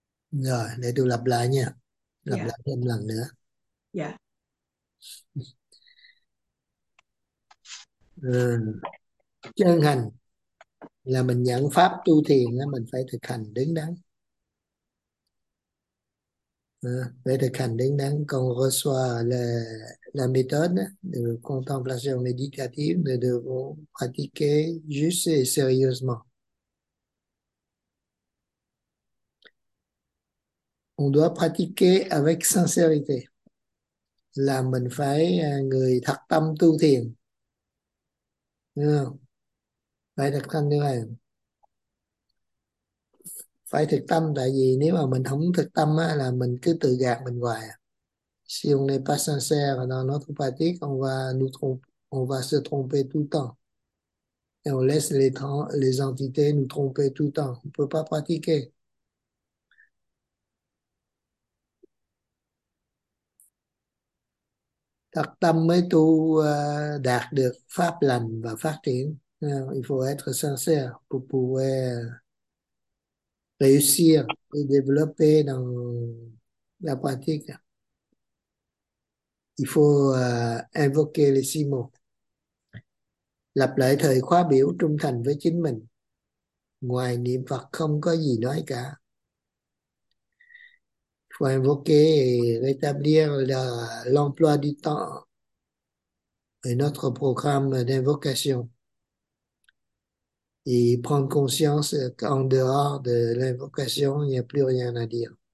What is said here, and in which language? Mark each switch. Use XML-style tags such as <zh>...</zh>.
<vi>Rồi, để tôi lặp lại nha. dạ Lặp lại thêm lần nữa. dạ Chân hành là mình nhận pháp tu thiền, mình phải thực hành đứng đắn. Phải thực hành đứng đắn.</vi> <fr>Con reçoit la méthode, de contemplation méditative, de pratiquer juste et sérieusement. On doit pratiquer avec sincérité.</fr> <vi>Là mình phải người thật tâm tu thiền. Đúng không? Phải thực hành như vậy. Phải thực tâm, tại vì nếu mà mình không thực tâm á, là mình cứ tự gạt mình hoài.</vi> <fr>Si on n'est pas sincère dans notre pratique, on va se tromper tout le temps. Et on laisse les entités nous tromper tout le temps. On peut pas pratiquer.</fr> <vi>Thật tâm mới tu đạt được pháp lành và phát triển.</vi> <fr>Il faut être sincère pour pouvoir réussir et développer dans la pratique. Il faut invoquer les six mots.</fr> <vi>Lặp lại thời khóa biểu trung thành với chính mình. Ngoài niệm Phật không có gì nói cả.</vi> <fr>Faut invoquer et rétablir l'emploi du temps et notre programme d'invocation. Et prendre conscience qu'en dehors de l'invocation, il n'y a plus rien à dire.</fr>